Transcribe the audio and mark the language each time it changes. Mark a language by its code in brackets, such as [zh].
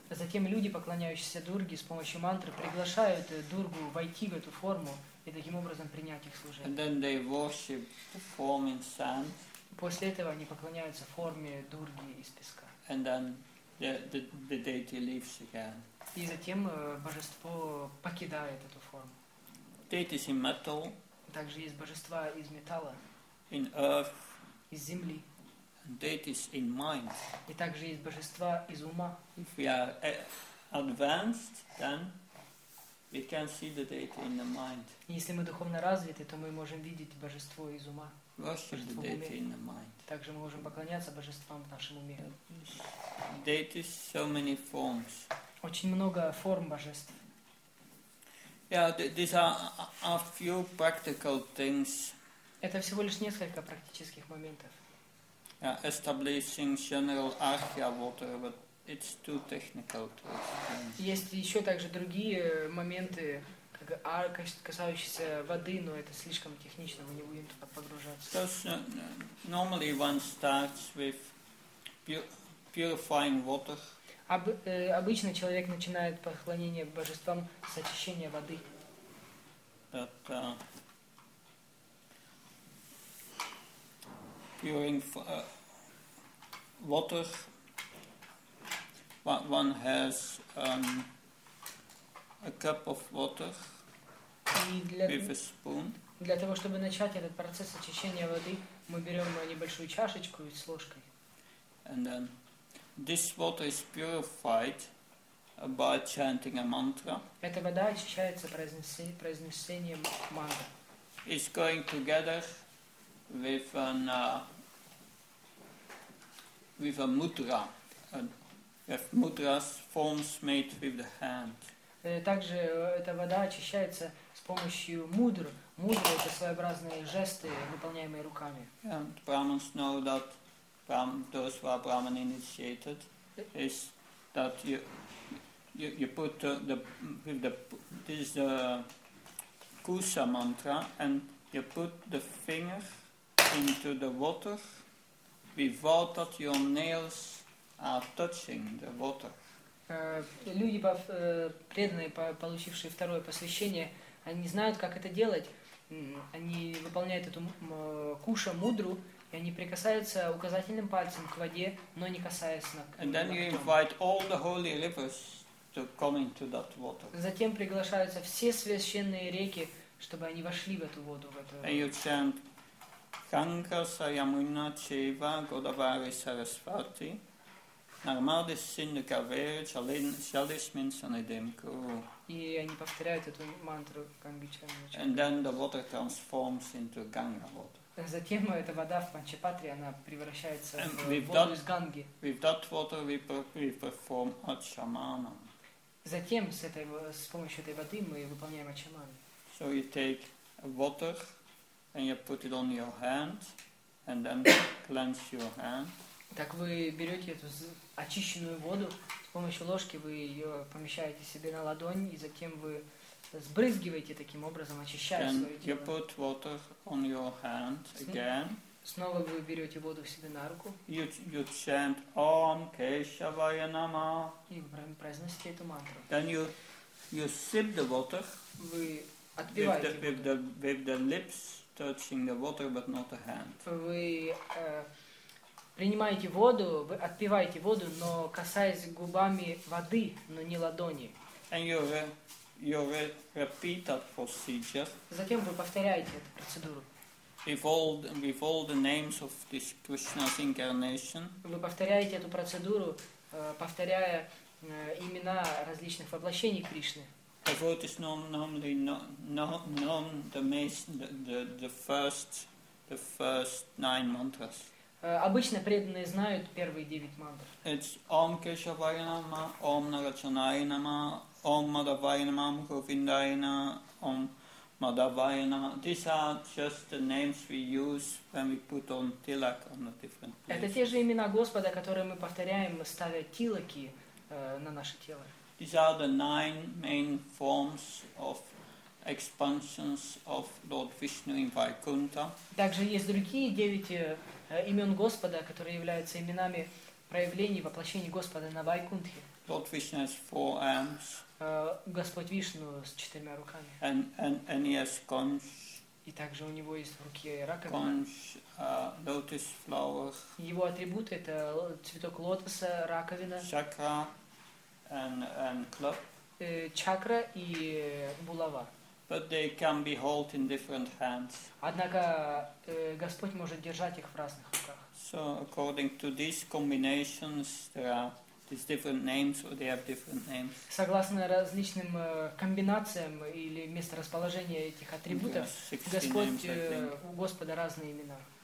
[ru] Затем люди, поклоняющиеся Дурге, с помощью мантры приглашают Дургу войти в эту форму и таким образом принять их служение. [en] And then they worship the form in sand. [ru] После этого они поклоняются форме Дурги из песка. [en] And then the deity leaves again. [ru] И затем божество покидает эту форму. [en] Deities in metal. [ru] Также есть божества из металла. [en] In earth. [ru] Из земли. [en] Deities in mind. [ru] И также есть божества из ума. [en] If we are advanced, then we can see the deity in the mind. [ru] Если мы духовно развиты, то мы можем видеть божество из ума. [en] Worship the deity in the mind. [ru] Также мы можем поклоняться божествам в нашем уме. [en] Deities, so many forms. [ru] Очень много форм божеств. [en] Yeah, these are a few practical things. [ru] Это всего лишь несколько практических моментов. [en] Yeah, establishing general archa water, but it's too technical to explain. [ru] Есть еще также другие моменты. Касающиеся воды, но это слишком технично, мы не будем туда погружаться. [en] Because normally one starts with purifying water. [ru] Обычно человек начинает поклонение божествам с очищения воды. [en] But purifying water, one has a cup of water. With a spoon. [ru] Для того, чтобы начать этот процесс очищения воды, мы берем небольшую чашечку с ложкой. [en] And then this water is purified by chanting a mantra. [ru] Эта вода очищается произнесением мантры. [en] It's going together with an with a mudra. With mudras forms made with the hand. [ru] Также эта вода очищается с помощью мудр. Мудры — это своеобразные жесты, выполняемые руками. [en] And Brahmins know that those who are Brahman initiated is that you put the Kusa mantra and you put the finger into the water without that your nails are touching the water. [ru] Люди, преданные, получившие второе посвящение, они знают, как это делать. Они выполняют эту куша мудру, и они прикасаются указательным пальцем к воде, но не касаясь на. [en] And then you invite all the holy rivers to come into that water. [ru] Затем приглашаются все священные реки, чтобы они вошли в эту воду. [en] And you chant Ganga, Yamuna, Cheva, Godavari, Sarasvati, Narmada, Sindhu, Kaveri, Jalishmin, Sanidim, Guru. [ru] И они повторяют эту мантру Гангичарна. [en] And then the water transforms into Ganga water. [ru] Затем эта вода в Панчапатри она превращается в воду из Ганги. [en] With that water we perform Ачамана. [ru] Затем с помощью этой воды мы выполняем Ачамана. [en] So you take water and you put it on your hand and then cleanse your hand. [ru] Так вы берете эту очищенную воду, с помощью ложки вы ее помещаете себе на ладонь, и затем вы сбрызгиваете таким образом, очищая [en] and [ru] свое тело. [en] You put water on your hand again. [ru] Снова вы берете воду себе на руку. [en] You chant [sa] Om Keshavaya Namah. [ru] И произносите эту мантру. [en] Then you sip the water. [ru] Вы отпиваете воду. [en] With the lips touching the water, but not the hand. [ru] Вы принимаете воду, вы отпиваете воду, но касаясь губами воды, но не ладони. [en] And you repeat that procedure. [ru] Затем вы повторяете эту процедуру. [en] With all the names of this Krishna's incarnation. [ru] Вы повторяете эту процедуру, повторяя имена различных воплощений Кришны. [en] The vote is normally known the first nine mantras. [ru] Обычно преданные знают первые девять мантр. [en] It's [sa] Om Keshavaya Namah, Om Narachanaya Namah, Om Madhavaya Namah, Om Govindaya Namah, Om Madhavaya Namah. [en] These are just the names we use when we put on tilak on the different places. [ru] Это те же имена Господа, которые мы повторяем, ставя тилаки на наше тело. [en] These are the nine main forms of expansions of Lord Vishnu in Vaikuntha. [ru] Также есть другие девять имен Господа, которые являются именами проявлений воплощений Господа на Вайкунтхе. [en] Lord Vishnu has four arms. [ru] Господь Вишну с четырьмя руками. [en] And he has conch. [ru] И также у него есть руки раковина. [en] Conch, lotus flower. [ru] Его атрибут это цветок лотоса, раковина. [en] Chakra and club. [ru] Чакра и булава. [en] But they can be held in different hands. [ru] Однако Господь может держать их в разных руках. [en] So according to these combinations, there are these different names, or they have different names. [ru] Согласно различным комбинациям или месторасположения этих атрибутов, у Господа разные имена.